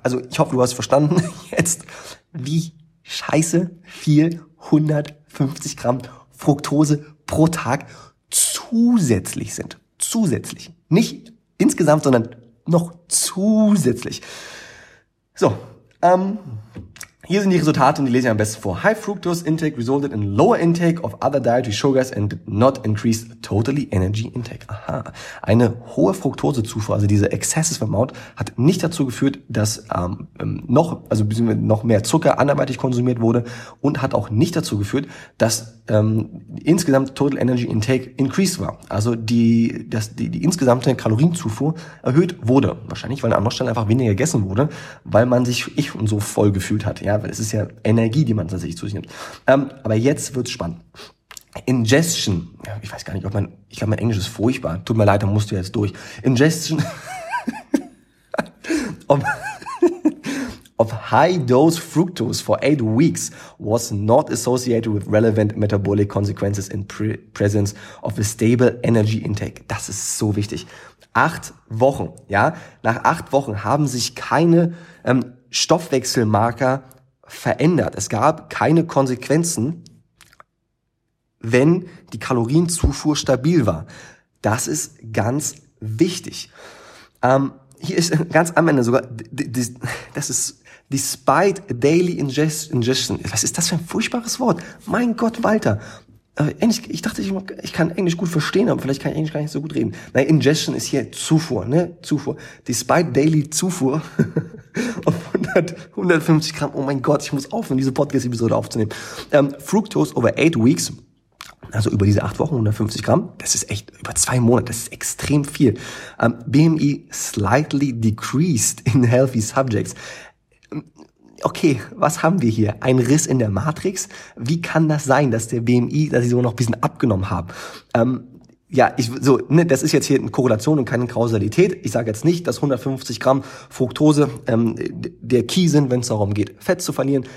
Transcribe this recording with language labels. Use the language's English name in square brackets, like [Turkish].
[German] Also ich hoffe, du hast verstanden jetzt, wie scheiße viel 150 Gramm Fructose pro Tag zusätzlich sind. Zusätzlich. Nicht insgesamt, sondern noch zusätzlich. So, hier sind die Resultate und die lese ich am besten vor. [English] High fructose intake resulted in lower intake of other dietary sugars and did not increase totally energy intake. [German] Aha. Eine hohe Fructosezufuhr, also diese [English] excessive amount, [German] hat nicht dazu geführt, dass noch mehr Zucker anderweitig konsumiert wurde und hat auch nicht dazu geführt, dass insgesamt [English] total energy intake increased [German] war. Also die insgesamte Kalorienzufuhr erhöht wurde. Wahrscheinlich, weil an anderer Stelle einfach weniger gegessen wurde, weil man sich so voll gefühlt hat. Ja, weil es ist ja Energie, die man tatsächlich zu sich nimmt. Aber jetzt wird's spannend. Ingestion. Ja, ich weiß gar nicht, ich glaube, mein Englisch ist furchtbar. Tut mir leid, da musst du jetzt durch. [English] Ingestion. Of high-dose fructose for 8 weeks was not associated with relevant metabolic consequences in presence of a stable energy intake. [German] Das ist so wichtig. 8 Wochen, ja? Nach 8 Wochen haben sich keine Stoffwechselmarker verändert. Es gab keine Konsequenzen, wenn die Kalorienzufuhr stabil war. Das ist ganz wichtig. Hier ist ganz am Ende sogar, das ist [English] despite daily ingestion. [German] Was ist das für ein furchtbares Wort? Mein Gott, Walter. Ich dachte, ich kann Englisch gut verstehen, aber vielleicht kann ich Englisch gar nicht so gut reden. Nein, ingestion ist hier Zufuhr, ne? Zufuhr. [English] Despite daily [German] Zufuhr auf 150 Gramm. Oh mein Gott, ich muss aufhören, diese Podcast-Episode aufzunehmen. [English] Fructose over 8 weeks. [German] Also über diese 8 Wochen, 150 Gramm. Das ist echt über 2 Monate. Das ist extrem viel. [English] BMI slightly decreased in healthy subjects. [German] Okay, was haben wir hier? Ein Riss in der Matrix? Wie kann das sein, dass der BMI, dass sie sogar noch ein bisschen abgenommen haben? Das ist jetzt hier eine Korrelation und keine Kausalität. Ich sage jetzt nicht, dass 150 Gramm Fructose der Key sind, wenn es darum geht, Fett zu verlieren.